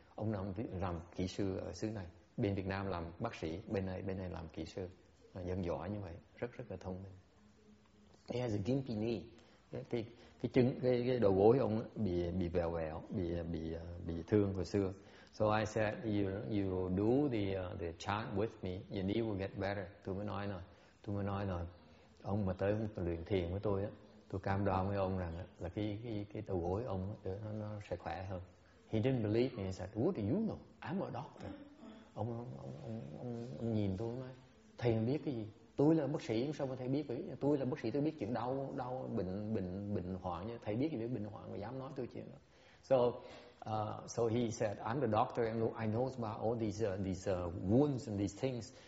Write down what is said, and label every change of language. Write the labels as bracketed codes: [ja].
[vi] Ông làm kỹ sư ở xứ này, bên Việt Nam làm bác sĩ, bên này làm kỹ sư, nhân giỏi như vậy, rất là thông minh. [en] He has a gimpy knee. [vi] Cái đầu gối ông bị vèo vèo, bị thương hồi xưa. [en] So I said, you do the chant with me, your knee will get better. [vi] Tôi mới nói là ông mà tới luyện thiền với tôi á, tôi cam đoan với ông rằng là cái đầu gối ông nó sẽ khỏe hơn. [en] He didn't believe me. He said, what do you know? I'm a doctor. [vi] Ông nhìn tôi nói, thầy biết cái gì? Tôi là bác sĩ sao mà thầy biết vậy? Tôi là bác sĩ, tôi biết chuyện đau bệnh hoạn nha. Thầy biết gì về bệnh hoạn mà dám nói tôi chuyện đó. [en] So he said, I'm the doctor and I know about all these wounds and these things.